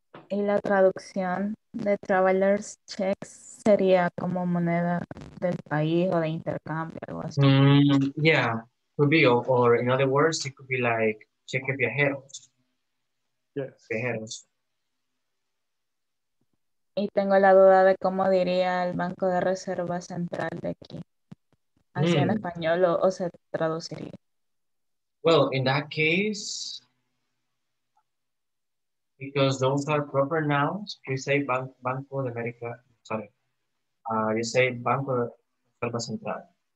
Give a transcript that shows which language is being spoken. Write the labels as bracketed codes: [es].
[es] Y la traducción de traveler's checks sería como moneda del país o de intercambio, algo así. [en] Yeah, could be, or in other words, it could be like [es] cheque viajeros. [en] Yes. [es] Viajeros. Y tengo la duda de cómo diría el Banco de Reserva Central de aquí. ¿Así en español o se traduciría? [en] Well, in that case, because those are proper nouns, you say Banco de América, sorry. You say Banco de Reserva Central.